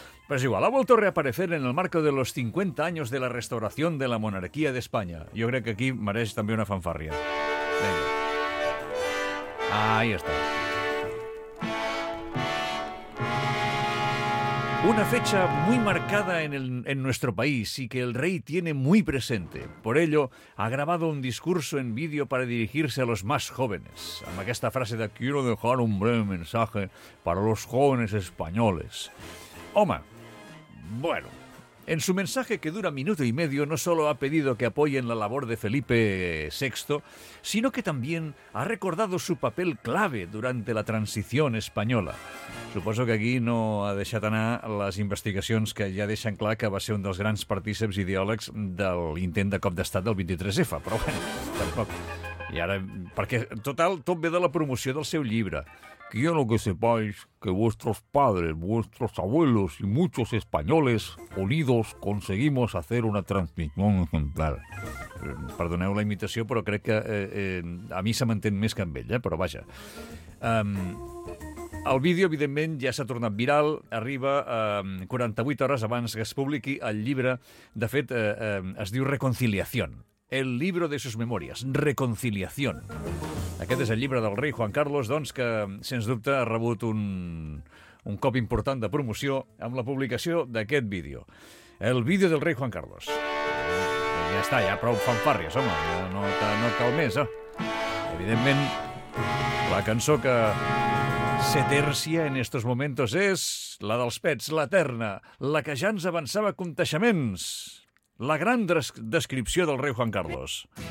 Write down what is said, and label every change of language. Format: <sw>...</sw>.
<ca>Però és igual,</ca> <es>ha vuelto a reaparecer en el marco de los 50 años de la restauración de la monarquía de España.</es> <ca>Jo crec que aquí mereix també una fanfàrria.</ca> <es>Venga. Ahí está. Una fecha muy marcada en nuestro país y que el rey tiene muy presente. Por ello, ha grabado un discurso en vídeo para dirigirse a los más jóvenes.</es> <ca>Amb aquesta frase de</ca> <es>quiero dejar un breve mensaje para los jóvenes españoles. Home, bueno, en su mensaje que dura minuto y medio no solo ha pedido que apoyen la labor de Felipe VI, sino que también ha recordado su papel clave durante la transición española.</es> <ca>Suposo que aquí no ha deixat anar les investigacions que ja deixen clar que va ser un dels grans partícips ideòlegs de l'intent de cop d'estat del 23F, però bueno, tampoc. I ara, perquè total, tot ve de la promoció del seu llibre.</ca> <es>Quiero que sepáis que vuestros padres, vuestros abuelos y muchos españoles unidos conseguimos hacer una transición ejemplar.</es> <ca>Perdoneu la imitació, però crec que a mi se m'entén més que amb ell, però vaja. El vídeo, evidentment, ja s'ha tornat viral, arriba 48 hores abans que es publiqui el llibre. De fet, es diu</ca> <es>Reconciliación, el libro de sus memorias, Reconciliación.</es> <ca>Aquest és el llibre del rei Juan Carlos, doncs, que, sens dubte, ha rebut un cop important de promoció amb la publicació d'aquest vídeo. El vídeo del rei Juan Carlos. Ja està, ja prou fanfàries, home, no cal més, eh? Evidentment, la cançó que</ca> <es>se tercia en estos momentos</es> <ca>és la dels pets, l'eterna, la que ja ens avançava conteixements, la gran descripció del rei Juan Carlos.</ca>